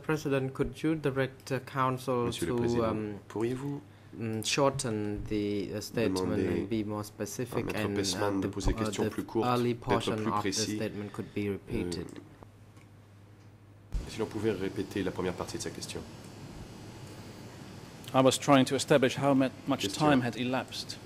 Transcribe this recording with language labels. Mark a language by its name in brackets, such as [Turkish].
[English] President, could you direct counsel to shorten the statement and be more specific, and the early portion of the statement could be repeated? [French] Si l'on pouvait répéter la première partie de sa question. [English] I was trying to establish how much time had elapsed